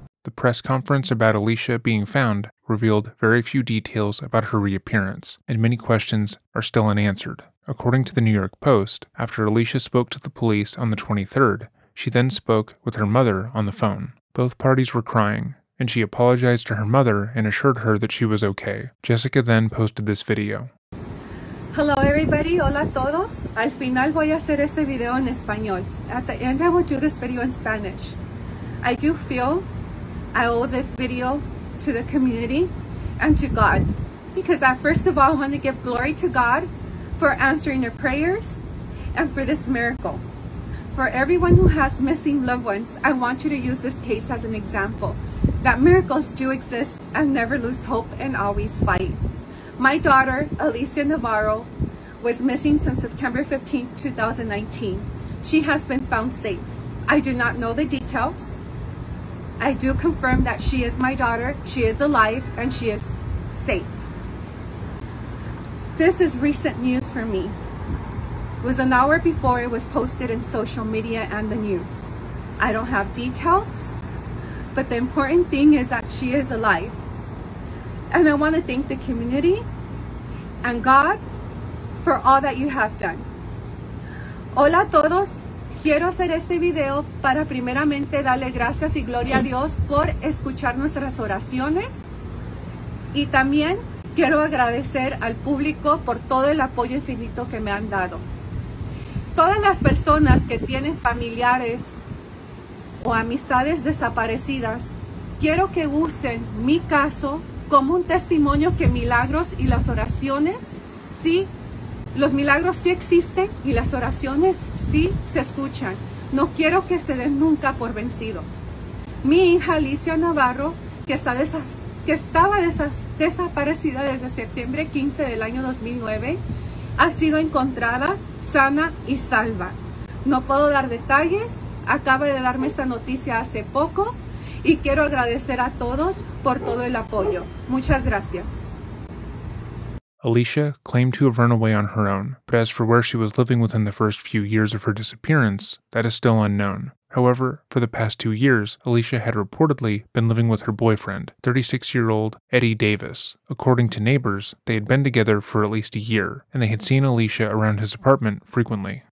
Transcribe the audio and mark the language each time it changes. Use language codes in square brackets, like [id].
[en] The press conference about Alicia being found revealed very few details about her reappearance, and many questions are still unanswered. According to the New York Post, after Alicia spoke to the police on the 23rd, she then spoke with her mother on the phone. Both parties were crying, and she apologized to her mother and assured her that she was okay. Jessica then posted this video. Hello everybody, [es] hola a todos. Al final voy a hacer este video en español. [en] At the end, I will do this video in Spanish. I do feel I owe this video to the community and to God, because I first of all want to give glory to God for answering your prayers and for this miracle. For everyone who has missing loved ones, I want you to use this case as an example that miracles do exist and never lose hope and always fight. My daughter, Alicia Navarro, was missing since September 15, 2019. She has been found safe. I do not know the details. I do confirm that she is my daughter, she is alive, and she is safe. This is recent news for me. It was an hour before it was posted in social media and the news. I don't have details, but the important thing is that she is alive. And I want to thank the community and God for all that you have done. [es] Hola a todos. Quiero hacer este video para primeramente darle gracias y gloria a Dios por escuchar nuestras oraciones. Y también quiero agradecer al público por todo el apoyo infinito que me han dado. Todas las personas que tienen familiares o amistades desaparecidas, quiero que usen mi caso como un testimonio que milagros y las oraciones, sí, los milagros sí existen y las oraciones sí se escuchan. No quiero que se den nunca por vencidos. Mi hija Alicia Navarro, que estaba desaparecida desde septiembre 15 del año 2009, ha sido encontrada sana y salva. No puedo dar detalles, acaba de darme esta noticia hace poco. Y quiero agradecer a todos por todo el apoyo. Muchas gracias. [en] Alicia claimed to have run away on her own, but as for where she was living within the first few years of her disappearance, that is still unknown. However, for the past 2 years, Alicia had reportedly been living with her boyfriend, 36-year-old Eddie Davis. According to neighbors, they had been together for at least a year, and they had seen Alicia around his apartment frequently.